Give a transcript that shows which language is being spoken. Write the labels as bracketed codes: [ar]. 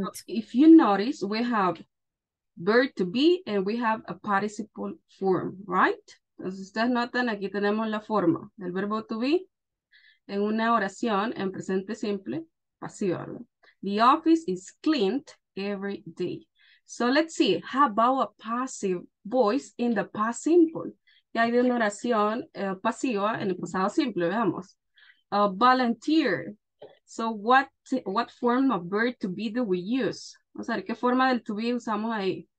[en] So if you notice, we have verb to be and we have a participle form, right? [es] Entonces, ustedes notan, aquí tenemos la forma del verbo to be en una oración en presente simple, pasiva. [en] The office is cleaned every day. So let's see, how about a passive voice in the past simple? [es] Ya hay una oración pasiva en el pasado simple, veamos. [en] A volunteer. So what form of verb to be do we use? [es] O sea, ¿qué forma del to be usamos ahí?